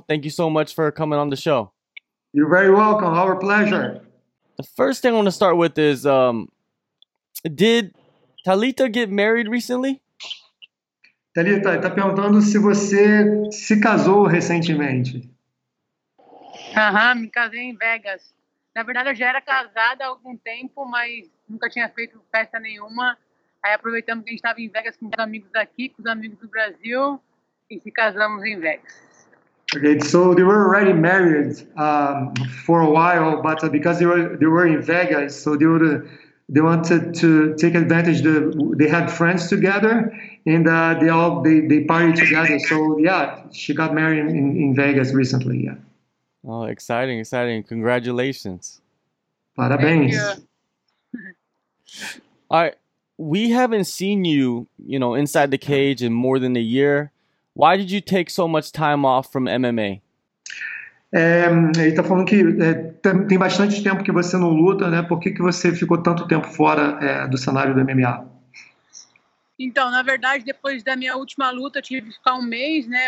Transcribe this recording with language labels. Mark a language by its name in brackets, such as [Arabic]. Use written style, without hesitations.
[English] Thank you so much for coming on the show. You're very welcome. Our pleasure. The first thing I want to start with is, did Talita get married recently? [Portuguese] Talita, está perguntando se você se casou recentemente. Aham, me casei em Vegas. Na verdade, eu já era casada há algum tempo, mas nunca tinha feito festa nenhuma. Aí aproveitamos que a gente estava em Vegas com os amigos aqui, com os amigos do Brasil, e se casamos em Vegas. [English] Okay, so they were already married for a while, but because they were in Vegas, so they wanted to take advantage. They had friends together, and they party together. So yeah, she got married in Vegas recently. Yeah. Well, exciting! Congratulations. [Portuguese] Parabéns. [English] All right, we haven't seen you, inside the cage in more than a year. Why did you take so much time off from MMA? [Portuguese] Ele está falando que tem bastante tempo que você não luta, né? Por que você ficou tanto tempo fora do cenário do MMA? Então, na verdade, depois da minha última luta, eu tive que ficar um mês, né?